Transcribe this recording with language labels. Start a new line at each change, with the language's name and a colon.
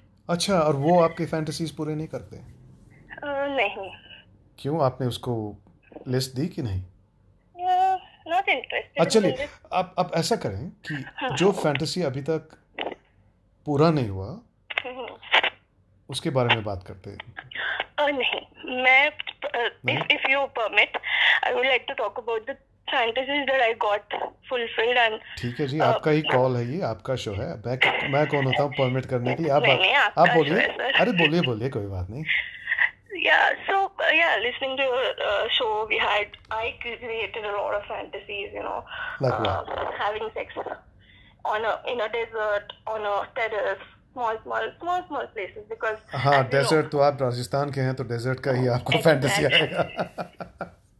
Hindi: अच्छा, और वो आपके फैंटेसीज पूरे नहीं करते? नहीं। क्यों, आपने उसको लिस्ट दी कि नहीं?
English: Not interested.
Hindi: अच्छा, चलिए आप ऐसा करें कि जो फैंटेसी अभी तक पूरा नहीं हुआ उसके बारे में बात करते हैं। नहीं, मैं
English: if you permit, I would like to talk about the fantasies that I got fulfilled and
Hindi: ठीक है जी, आपका ही कॉल है, ये आपका शो है, मैं कौन होता हूँ परमिट करने की? आप बोलिए। अरे बोलिए बोलिए, कोई बात नहीं।
English: Yeah, so yeah, listening to show we had, I created a lot of fantasies, you know, like having sex on a in a desert, on a terrace.
Hindi: हाँ, डेजर्ट तो आप राजस्थान के हैं तो डेजर्ट का ही आपको फैंटेसी आएगा।